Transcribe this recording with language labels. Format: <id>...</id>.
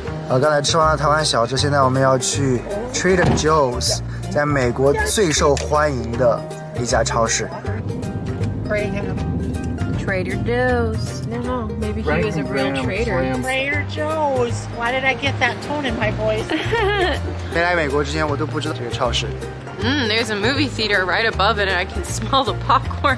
<zh>刚才吃完了台湾小吃，现在我们要去 Trader Joe's， 在美国最受欢迎的一家超市。</zh> <en>Trader Joe's. No, maybe he was a real trader. Trader Joe's. Why did I get that tone in my voice?</en> <zh>没来美国之前，我都不知道这个超市。</zh> <en>Mm, there's a movie theater right above it, and I can smell the popcorn.</en>